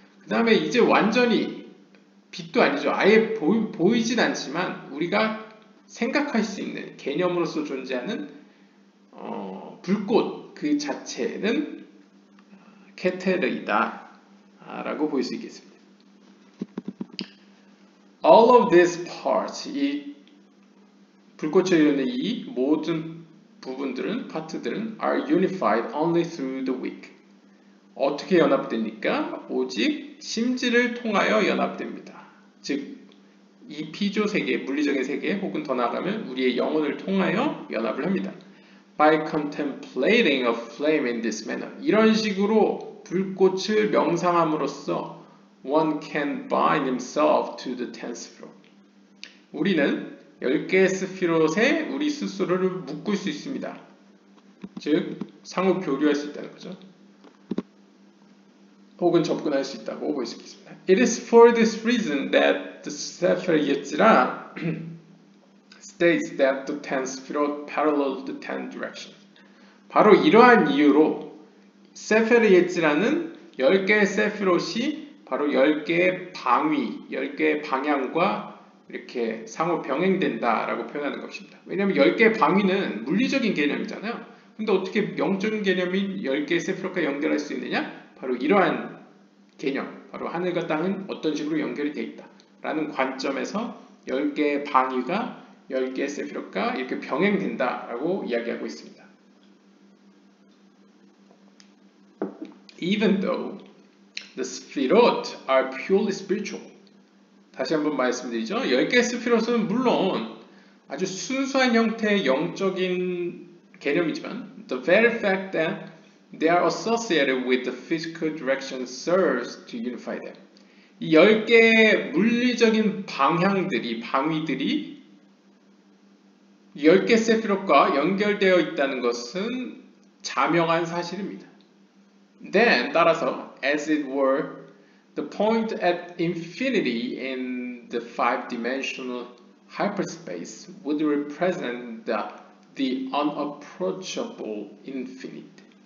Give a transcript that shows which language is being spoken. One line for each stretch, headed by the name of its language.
Korean: 그 다음에 이제 완전히 빛도 아니죠. 아예 보이진 않지만 우리가 생각할 수 있는 개념으로서 존재하는 불꽃 그 자체는 케테르이다 라고 볼 수 있겠습니다.
English: All of these parts,
Korean: 이 불꽃에 의하는 이 모든 부분들은, 파트들은
English: are unified only through the wick.
Korean: 어떻게 연합됩니까? 오직 심지를 통하여 연합됩니다. 즉, 이 피조 세계, 물리적인 세계, 혹은 더 나아가면 우리의 영혼을 통하여 연합을 합니다.
English: By contemplating a flame in this manner.
Korean: 이런 식으로 불꽃을 명상함으로써
English: one can bind himself to the ten sefirot.
Korean: 우리는 10개의 스피롯에 우리 스스로를 묶을 수 있습니다. 즉, 상호 교류할 수 있다는 거죠. 혹은 접근할 수 있다고 볼 수 있겠습니다.
English: It is for this reason that the Sefer Yetzirah states that the ten sefirot parallel the ten directions.
Korean: 바로 이러한 이유로 Sefer Yetzirah는 10개의 세피롯이 바로 10개의 방위, 10개의 방향과 이렇게 상호 병행된다라고 표현하는 것입니다. 왜냐하면 10개의 방위는 물리적인 개념이잖아요. 근데 어떻게 영적인 개념인 10개의 세피롯과 연결할 수 있느냐? 바로 이러한 개념, 바로 하늘과 땅은 어떤 식으로 연결이 되어 있다라는 관점에서 10개의 방위가 10개의 세피롯과 이렇게 병행된다라고 이야기하고 있습니다.
English: Even though the sefirot are purely spiritual.
Korean: 다시 한번 말씀드리죠. 10개의 sefirot은 물론 아주 순수한 형태의 영적인 개념이지만
English: the very fact that they are associated with the physical direction serves to unify them.
Korean: 이 10개의 물리적인 방향들이, 방위들이 10개의 sefirot과 연결되어 있다는 것은 자명한 사실입니다.
English: Then,
Korean: 따라서,
English: as it were, the point at infinity in the five-dimensional hyperspace would represent the unapproachable infinite.